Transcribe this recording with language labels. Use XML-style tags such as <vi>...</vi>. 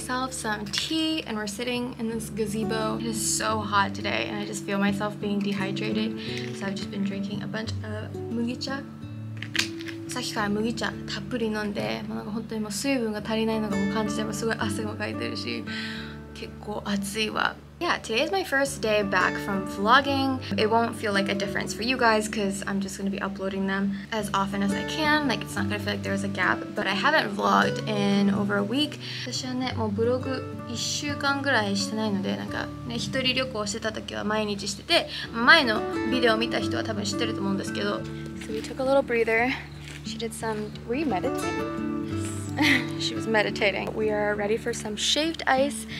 <en>Some tea, and we're sitting in this gazebo. It is so hot today, and I just feel myself being dehydrated. So I've just been drinking a bunch of 麦茶。</en> <ja>さっきから麦茶たっぷり飲んで、もうなんか本当にもう水分が足りないのがもう感じて、もすごい汗もかいてるし、結構暑いわ。</ja> <en>Yeah, today is my first day back from vlogging. It won't feel like a difference for you guys because I'm just going to be uploading them as often as I can. Like, it's not going to feel like there's a gap, but I haven't vlogged in over a week.</en> <ja>私はね、もうブログ1週間ぐらいしてないので、なんかね、一人旅行してた時は毎日してて、前のビデオ見た人は多分知ってると思うんですけど。</ja> <en>So we took a little breather. She did some... Were you meditating? She was meditating. We are ready for some shaved ice.</en>